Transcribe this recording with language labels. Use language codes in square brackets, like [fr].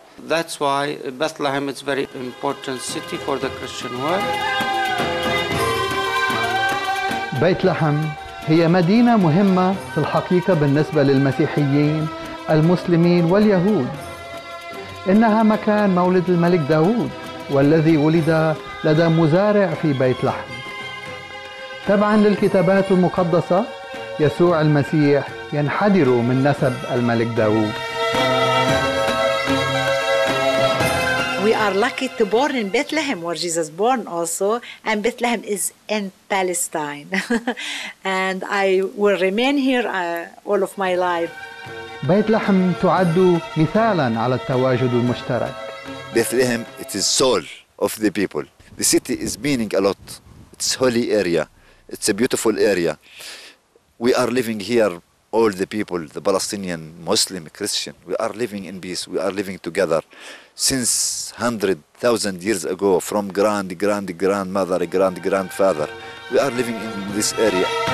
[en] That's why Bethlehem is a very important city for the Christian world. [ar] Bethlehem هي مدينة مهمة في الحقيقة بالنسبة للمسيحيين المسلمين واليهود إنها مكان مولد الملك داود والذي ولد لدى مزارع في بيت لحم تبعا للكتابات المقدسة يسوع المسيح ينحدر من نسب الملك داود [en] We are lucky to born in Bethlehem, where Jesus born also, and Bethlehem is in Palestine. And I will remain here all of my life. [ar] Bethlehem تعد مثالا على التواجد المشترك. [en] Bethlehem, it is soul of the people. The city is meaning a lot. It's a holy area. It's a beautiful area. We are living here, all the people, the Palestinian, Muslim, Christian. We are living in peace. We are living together. Since 100,000 years ago, from grandmother, grandfather, we are living in this area.